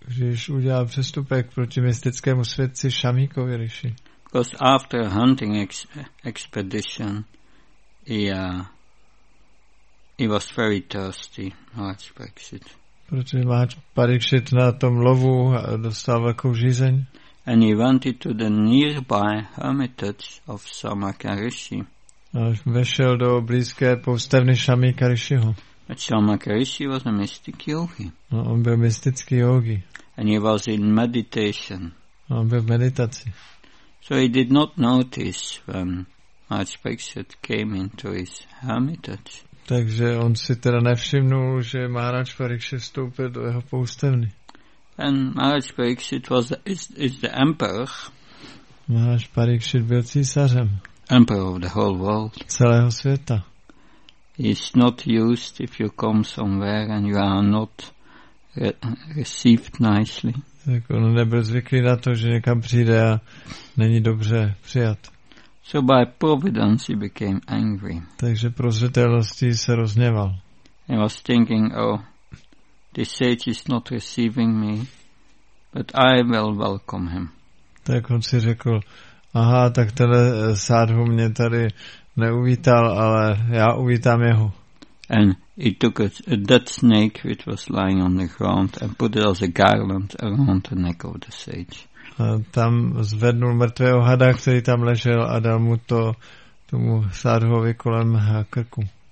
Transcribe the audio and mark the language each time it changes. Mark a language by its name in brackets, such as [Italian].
[Czech] Když udělal přestupek proti mystickému světci Shamikovi Rishi. [English] Because after a hunting expedition, he was very thirsty. Maharaj Parikshit. [Czech] Protože Maharaj Parikshit na tom lovu dostal velkou žízeň. [English] And he went to the nearby hermitage of Samakarishi. [Czech] A vešel do blízké poustevny Shamikarishiho. [English] But Shamakarishi was a mystic yogi. [Czech] No, on byl mystický yogi. [English] And he was in meditation. [Czech] No, on byl v meditaci. [English] So he did not notice when Maharaj Parikshit came into his hermitage. [Czech] Takže on si teda nevšimnul, že Maharaj Parikshit vstoupil do jeho poustevny. [English] And Maharaj Parikshit was is the emperor. [Czech] Maharaj Parikshit byl císařem. [English] Emperor of the whole world. [Czech] Celého světa. [English] It's not used if you come somewhere and you are not received nicely. [Czech] Tak on nebyl zvyklý na to, že někam přijde a není dobře přijat. [English] So by providence he became angry. [Czech] Takže prozřetelností se rozněval. [English] He was thinking, oh, this sage is not receiving me, but I will welcome him. [Czech] Tak on si řekl, aha, tak tenhle sádhu mě tady neuvítal, ale já uvítám jeho. [English] And he took a dead snake which was lying on the ground and put it as a garland around the neck of the sage. [Czech] A tam zvednul mrtvého hada, který tam ležel, a dal mu to tomu sádhovi kolem krku.